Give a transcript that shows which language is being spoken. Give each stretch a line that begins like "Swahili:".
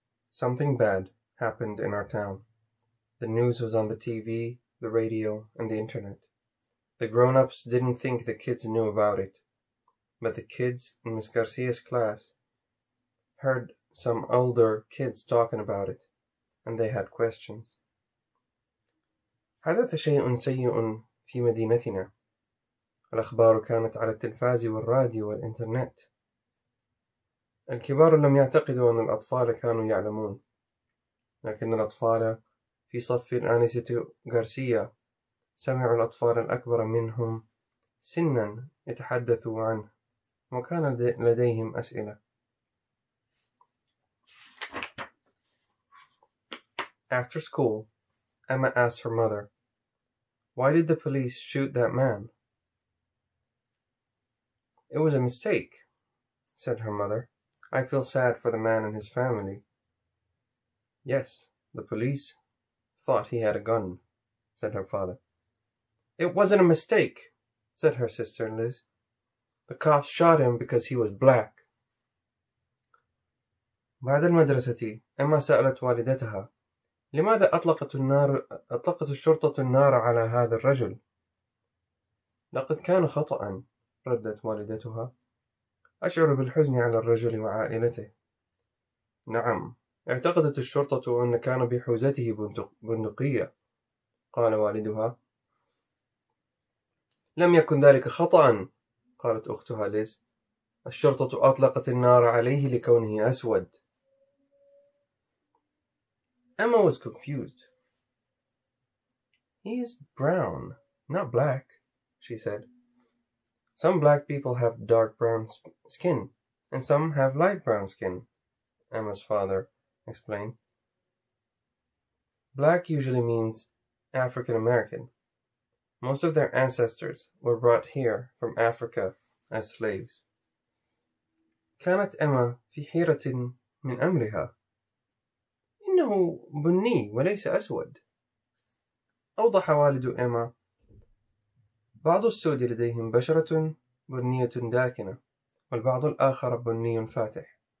English: Something bad happened in our town. The news was on the TV, the radio, and the internet. The grown-ups didn't think the kids knew about it. But the kids in Ms. Garcia's class heard some older kids talking about it, and they had questions.
Arabic: حدث شيء سيء في مدينتنا. الأخبار كانت على التلفاز والراديو والإنترنت. الكبار لم يعتقدوا أن الأطفال كانوا يعلمون. لكن الأطفال في صف الآنسة غارسيا سمعوا الأطفال الأكبر منهم سنا يتحدثوا عنه وكان لديهم أسئلة.
English: After school, Emma asked her mother, "Why did the police shoot that man?" "It was a mistake," said her mother. "I feel sad for the man and his family." "Yes, the police thought he had a gun," said her father. "It wasn't a mistake," said her sister Liz. "The cops shot him because he was black."
Arabic: بعد المدرسة، أما سألت والدتها، لماذا أطلقت الشرطة النار على هذا الرجل؟ "لقد كان خطأ," ردت والدتها. "أشعر بالحزن على الرجل وعائلته." "نعم، اعتقدت الشرطة أن كان بحوزته بندقية," قال والدها. "لم يكن ذلك خطأ," قالت أختها ليز. "الشرطة أطلقت النار عليه لكونه أسود."
English: Emma was confused. "He's brown, not black," she said. "Some black people have dark brown skin, and some have light brown skin," Emma's father explained. "Black usually means African American. Most of their ancestors were brought here from Africa as slaves."
Arabic: كانت Emma في حيرة من أمرها. "إنه بني وليس أسود." أوضح والد إيما، بعض السود لديهم بشرة بنية داكنة، والبعض الآخر بني فاتح.